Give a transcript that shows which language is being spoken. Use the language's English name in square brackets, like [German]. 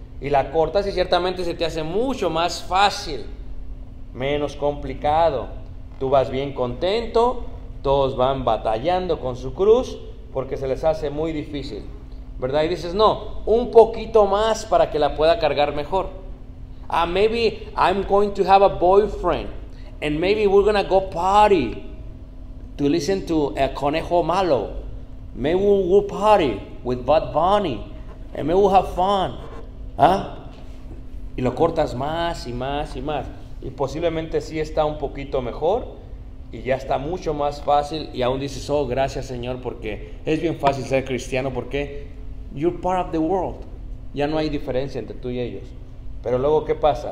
[Spanish] Y la cortas y ciertamente se te hace mucho más fácil, menos complicado. Tú vas bien contento, todos van batallando con su cruz porque se les hace muy difícil, ¿verdad? Y dices, no, un poquito más para que la pueda cargar mejor. [English] Maybe I'm going to have a boyfriend and maybe we're going to go party to listen to El Conejo Malo. Maybe we'll party with Bad Bunny and maybe we'll have fun. [Spanish] ¿Ah? Y lo cortas más y más y más. Y posiblemente sí está un poquito mejor y ya está mucho más fácil. Y aún dices, oh, gracias Señor, porque es bien fácil ser cristiano porque [English] you're part of the world. [Spanish] Ya no hay diferencia entre tú y ellos. Pero luego, ¿qué pasa?